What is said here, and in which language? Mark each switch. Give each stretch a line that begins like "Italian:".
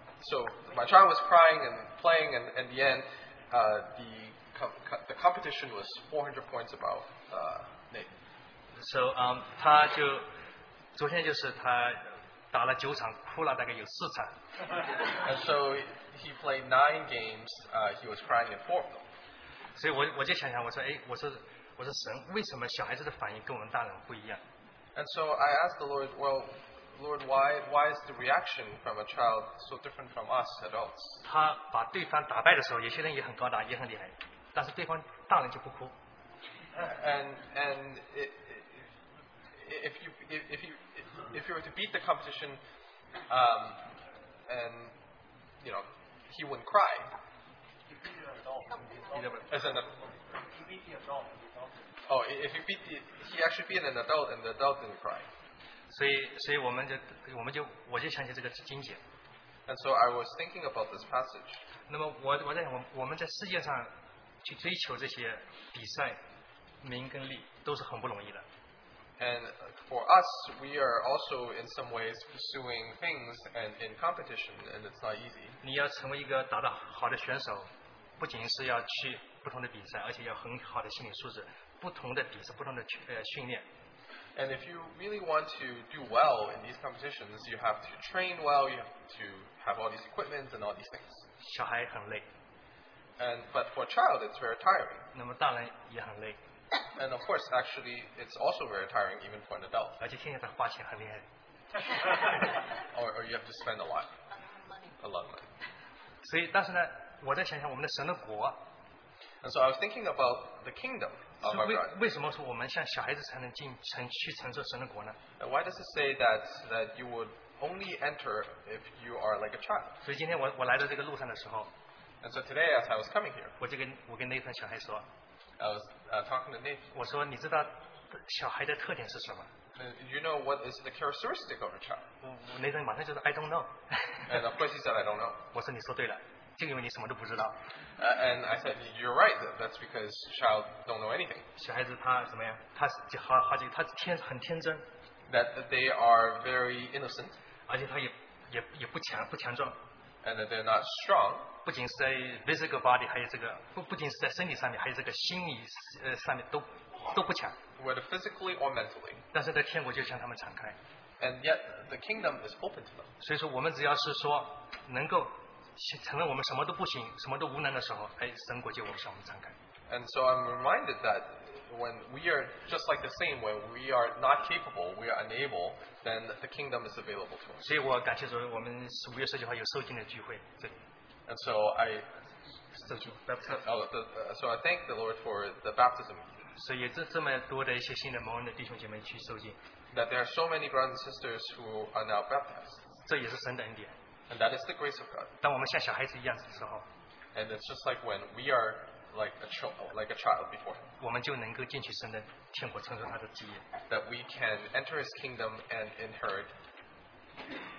English: So my child was crying and playing, and in the end, the competition was 400 points above Nate. So
Chinese: 他就昨天就是他打了九场，哭了大概有四场。
English: And so he played 9 games. He was crying in 4 of them.
Chinese: 所以我就想想，我说，哎，我说神，为什么小孩子的反应跟我们大人不一样？
English: And so I asked the Lord, well, Lord, why is the reaction from a child so different from us adults?
Chinese: 他把对方打败的时候，有些人也很高大，也很厉害，但是对方大人就不哭。
English: And if you were to beat the competition, and you know, he wouldn't cry. He's an adult. Oh, if he beat he actually beat an adult and the adult didn't cry.
Chinese: 所以我就想起这个经节。
English: And so I was thinking about this passage.
Chinese: 那么我在我们在世界上去追求这些比赛、名跟利，都是很不容易的。
English: And for us, we are also in some ways pursuing things and in competition, and it's not easy.
Chinese: 你要成为一个打得好的选手，不仅是要去不同的比赛，而且要很好的心理素质，不同的比赛，不同的训练。
English: And if you really want to do well in these competitions, you have to train well, you have to have all these equipment and all these things.
Chinese: 小孩很累。
English: And but for a child, it's very tiring.
Chinese: 那么大人也很累。
English: And of course, actually, it's also very tiring even for an adult.
Chinese: 而且天天在花钱很厉害。
English: or you have to spend a lot. A lot of money.
Chinese: 所以，但是呢，我在想想我们的神的国。
English: And so I was thinking about the kingdom of our God. Why does it say that you would only enter if you are like a child? And so today, as I was coming here, I was talking to Nathan.
Chinese: 我说你知道小孩的特点是什么？
English: You know what is the characteristic of a child?
Chinese: Nathan 马上就说,
English: I don't know. And of course he said, I don't know.
Chinese: 我说你说对了。就因为你什么都不知道。
English: And I said, you're right, that's because child don't know anything.
Chinese: 小孩子他怎么样?他很天真。
English: That they are very innocent.
Chinese: 而且他也不强壮。
English: And that they're not strong.
Chinese: 不仅是在
English: physical body,
Chinese: 还有这个,不仅是在身体上面, 还有这个心理上面都不强。
English: Whether physically or mentally.
Chinese: 但是在天国就向他们敞开。
English: And yet the kingdom is open to them.
Chinese: 所以说我们只要是说能够 成了我们什么都不行，什么都无能的时候，哎，神国就向我们敞开。
English: And so I'm reminded that when we are just like the same, when we are not capable, we are unable, then the kingdom is available to us.
Chinese: 所以我感谢主，我们5月19号有受浸的聚会。
English: And so I, I thank the Lord for the baptism.
Chinese: 所以这么多的一些新的蒙恩的弟兄姐妹去受浸。
English: That there are so many brothers and sisters who are now baptized.
Chinese: 这也是神的恩典。
English: And that is the grace of God. And it's just like when we are like a child before Him. That we can enter His kingdom and inherit.